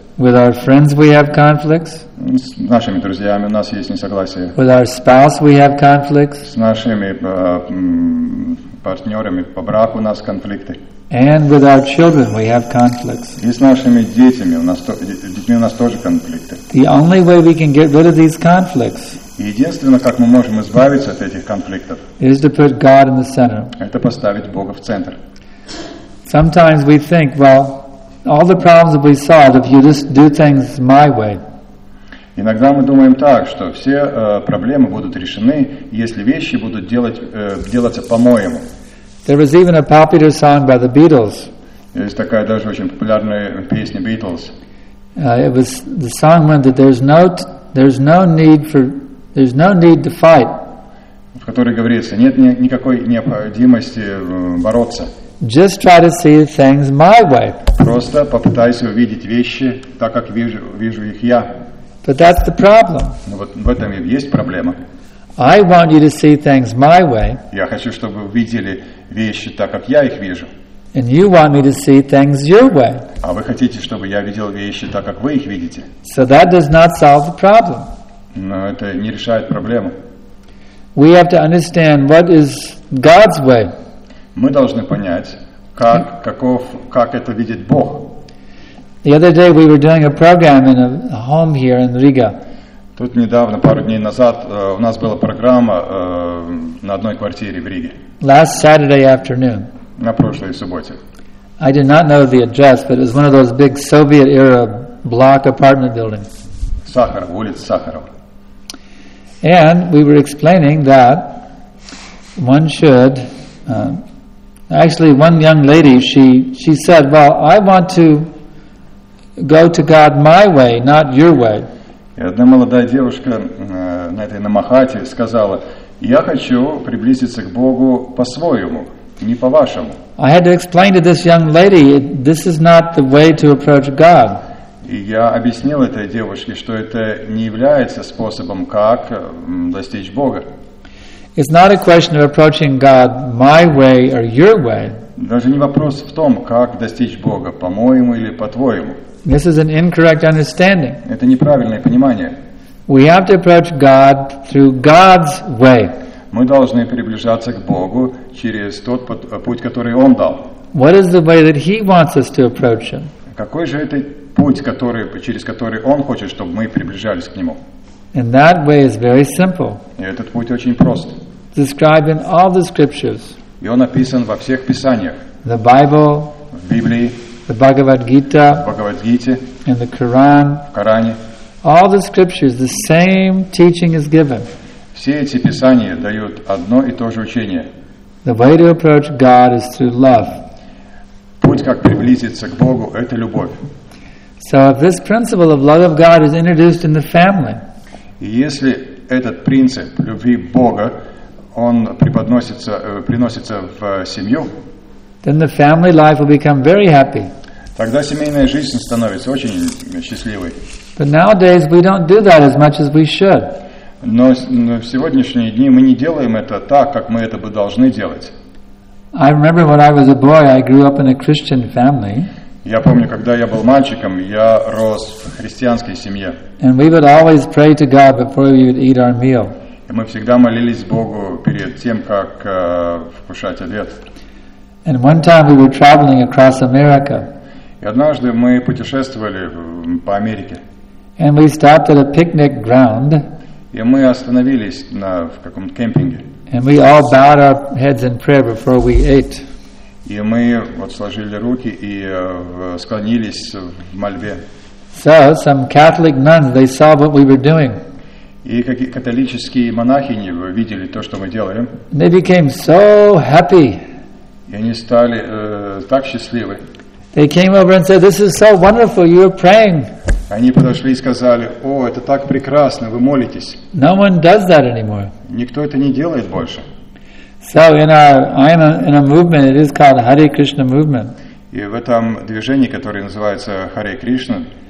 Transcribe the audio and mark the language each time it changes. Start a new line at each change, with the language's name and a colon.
English: With our friends we have conflicts.
Russian: С нашими друзьями у нас есть несогласия.
English: With our spouse we have conflicts.
Russian: С нашими партнерами по браку у нас конфликты.
English: And with our children we have conflicts.
Russian: И с нашими детьми у нас тоже конфликты.
English: The only way we can get rid of these conflicts.
Russian: Единственное, как мы можем избавиться от этих конфликтов.
English: Is to put God in the center.
Russian: Это поставить Бога в центр.
English: Sometimes we think, well, all the problems will be solved if you just do things my way.
Russian: Иногда мы думаем так, что все проблемы будут решены, если вещи будут делаться по-моему.
English: There was even a popular song by the Beatles.
Russian: Есть такая даже очень популярная песня Beatles.
English: It was the song meant that there's no need to fight.
Russian: В которой говорится, нет никакой необходимости бороться.
English: Just try to see things my way.
Russian: Просто попытайся увидеть вещи так, как вижу их я.
English: But that's the problem.
Russian: Ну, вот в этом и есть проблема.
English: I want you to see things my way.
Russian: Я хочу, чтобы вы видели вещи так, как я их вижу.
English: And you want me to see things your way.
Russian: А вы хотите, чтобы я видел вещи так, как вы их видите.
English: So that does not solve the problem.
Russian: Но это не решает проблему.
English: We have to understand what is God's way.
Russian: Мы должны понять, как это видит Бог.
English: The other day we were doing a program in a home here in Riga.
Russian: Тут недавно, пару дней назад, у нас была программа на одной квартире в Риге.
English: Last Saturday afternoon.
Russian: На прошлой субботе.
English: I did not know the address, but it was one of those big Soviet-era block apartment buildings.
Russian: Сахаров, улица Сахарова.
English: And we were explaining that one should... Actually, one young lady, she said, "Well, I want to go to God my way, not your way."
Russian: И одна молодая девушка на этой намахате сказала, "Я хочу приблизиться к Богу по-своему, не по-вашему."
English: I had to explain to this young lady, "This is not the way to approach God."
Russian: И я объяснил этой девушке, что это не является способом, как достичь Бога.
English: It's not a question of approaching God my way or your way.
Russian: Даже не вопрос в том, как достичь Бога, по-моему или по-твоему.
English: This is an incorrect understanding.
Russian: Это неправильное понимание.
English: We have to approach God through God's way.
Russian: Мы должны приближаться к Богу через тот путь, который Он дал.
English: What is the way that He wants us to approach Him?
Russian: Какой же это путь, через который Он хочет, чтобы мы приближались к Нему?
English: And that way is very simple.
Russian: И этот путь очень прост.
English: Described in all the scriptures.
Russian: И он описан во всех писаниях.
English: The Bible.
Russian: В Библии.
English: The Bhagavad Gita.
Russian: В Бхагавад-гите.
English: In the Quran.
Russian: В Коране.
English: All the scriptures, the same teaching is given.
Russian: Все эти писания дают одно и то же учение.
English: The way to approach God is through love.
Russian: путь, как приблизиться к Богу, это любовь.
English: So if this principle of love of God is introduced in the family,
Russian: и если этот принцип любви Бога, он преподносится, приносится в семью,
English: then the family life will become very happy.
Russian: Тогда семейная жизнь становится очень счастливой.
English: But nowadays we don't do that as much as we should.
Russian: Но в сегодняшние дни мы не делаем это так, как мы это бы должны делать.
English: I remember when I was a boy, I grew up in a Christian family.
Russian: Я помню, когда я был мальчиком, я рос в христианской семье.
English: And we would always pray to God before we would eat our meal.
Russian: И мы всегда молились Богу перед тем, как вкушать обед.
English: And one time we were traveling across America.
Russian: И однажды мы путешествовали по Америке.
English: And we stopped at a picnic ground.
Russian: И мы остановились на в каком-то кемпинге.
English: And we all bowed our heads in prayer before we ate.
Russian: И мы вот сложили руки и склонились в мольбе.
English: So some Catholic nuns, they saw what we were doing.
Russian: И какие католические монахини видели то, что мы делали.
English: They became so happy.
Russian: И они стали так счастливы.
English: They came over and said, "This is so wonderful. You are praying."
Russian: Они подошли и сказали: "О, это так прекрасно, вы молитесь."
English: No one does that anymore.
Russian: Никто это не делает больше.
English: So in our, I'm in a movement. It is called Hare Krishna movement.
Russian: И в этом движении, которое называется Hare Krishna.